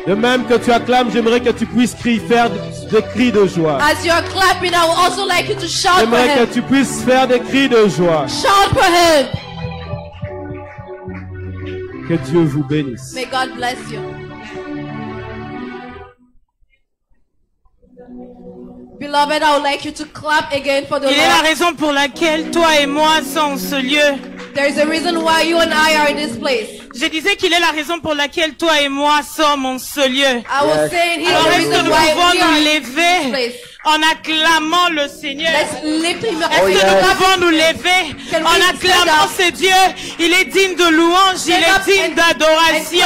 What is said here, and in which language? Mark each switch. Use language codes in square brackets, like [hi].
[fr] De même que tu acclames, j'aimerais que tu puisses crier, faire des cris de joie. [en] As you are clapping, I would also like you to shout for him. [fr] J'aimerais que tu puisses faire des cris de joie. [en] Shout for him. [fr] Que Dieu vous bénisse. [en] May God bless you. Beloved, I would like you to clap again for the Lord. [fr] Quelle est la raison pour laquelle toi et moi sommes ce lieu? [en] There is a reason why you and I are in this place. [fr] Je disais qu'il est la raison pour laquelle toi et moi sommes en ce lieu. [en] I was saying he is the reason why we are in this place. [fr] En acclamant le Seigneur. [en] Let's lift him up. [fr] Est-ce que nous pouvons nous lever en acclamant ce Dieu? Il est digne de louange, il est digne d'adoration.